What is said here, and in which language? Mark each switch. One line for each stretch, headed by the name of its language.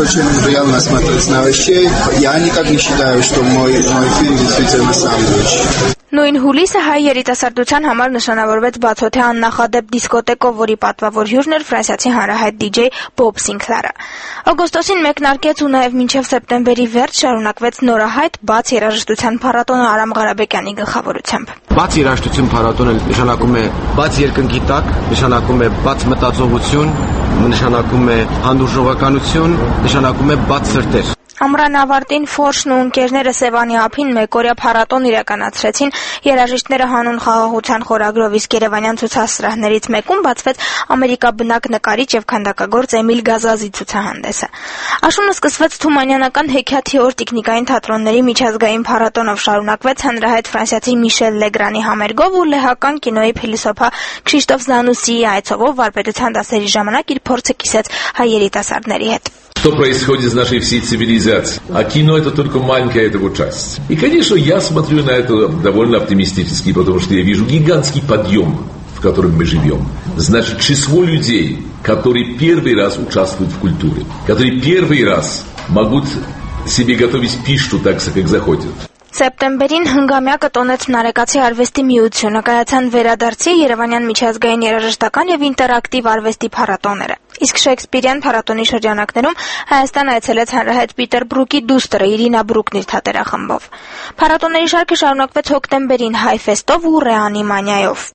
Russian: Я никак не считаю, что мой фильм действительно самый лучший.
Armenian: Նույն հուլիսը հայ երիտասարդության համար նշանավորվեց բացօթյա աննախադեպ դիսկոտեկով, որի պատվավոր հյուրն էր ֆրանսիացի հանրահայտ դիջեյ Բոբ Սինկլարը։ Օգոստոսին մեկնարկեց ու նաև մինչև սեպտեմբերի վերջ շարունակվեց նորահայտ բաց երաժշտության փառատոնը Արամ Ղարաբեկյանի գլխավորությամբ։ Բաց երաժշտություն փառատոնը նշանակում է բաց երկնգիտակ, նշանակում է բաց մտածողություն, նշանակում է հանդուրժողականություն, նշանակում է բաց սրտեր։ Ամրան ավարտին Ֆորշն ու ընկերները Սևանի ափին մեկօրյա փառատոն իրականացրեցին երաժիշտները հանուն խաղաղության խորագրով, իսկ Երևանյան ցուցասրահներից մեկում բացվեց ամերիկաբնակ նկարիչ եւ քանդակագործ Էմիլ Գազազի ցուցահանդեսը։ Աշունը սկսվեց Թումանյանական Հեքիաթի օր տիկնիկային թատրոնների միջազգային փառատոնով, շարունակվեց հանրահայտ ֆրանսիացի Միշել Լեգրանի համերգով ու լեհական կինոյի փիլիսոփա Քրիստոֆ Զանուսիի այցով, ով վարպետության դասերի ժամանակ իր փորձը կիսեց հայ երիտասարդների հետ։
Russian: Что происходит с нашей всей цивилизацией. А кино это только маленькая его часть. И, конечно, я смотрю на это довольно оптимистически, потому что я вижу гигантский подъем, в котором мы живем. Значит, число людей, которые первый раз участвуют в культуре, которые первый раз могут себе готовить пищу так, как захотят. С
Armenian: սեպտեմբերին հնգամյակը տոնեց Նարեկացի արվեստի միությունը, կայացան վերադարձի Երևանյան միջազգային երաժշտական և ինտերակտիվ արվեստի փառատոները։ Իսկ Շեքսպիրյան փառատոնի շրջանակներում Հայաստան այցելեց հանրահայտ Պիտեր Բրուկի դուստրը Իրինա Բրուկնիր թատերախմբով։ Փառատոների շարքը շարունակվեց հոկտեմբերին Հայֆեստով ու Ռեանիմանիայով։